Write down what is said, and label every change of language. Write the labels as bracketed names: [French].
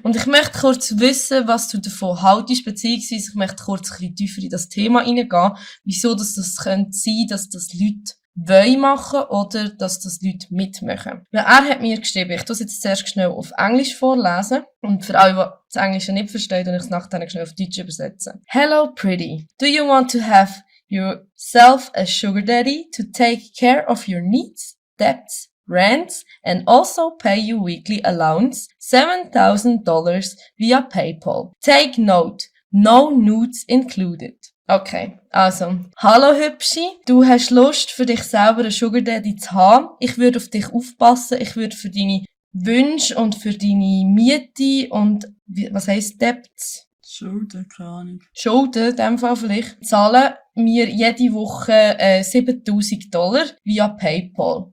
[German] Und ich möchte kurz wissen, was du davon haltest, beziehungsweise ich möchte kurz ein bisschen tiefer in das Thema reingehen, wieso das sein könnte, dass das Leute wollen machen oder dass das Leute mitmachen. Weil er hat mir geschrieben, ich tue es jetzt zuerst schnell auf Englisch vorlesen. Und für alle, die das Englische nicht verstehen, und ich es nachher schnell auf Deutsch übersetzen. [English] Hello, pretty. Do you want to have yourself a sugar daddy to take care of your needs, debts, rents, and also pay you weekly allowance, $7,000 via PayPal? Take note, no nudes included. [German] Okay, also. Hallo Hübschi, du hast Lust, für dich selber einen Sugar Daddy zu haben. Ich würde auf dich aufpassen, ich würde für deine Wünsche und für deine Miete und, was heisst Debts? Schulden, keine Ahnung. Schulden, in dem Fall vielleicht, zahlen mir jede Woche $7,000 via PayPal.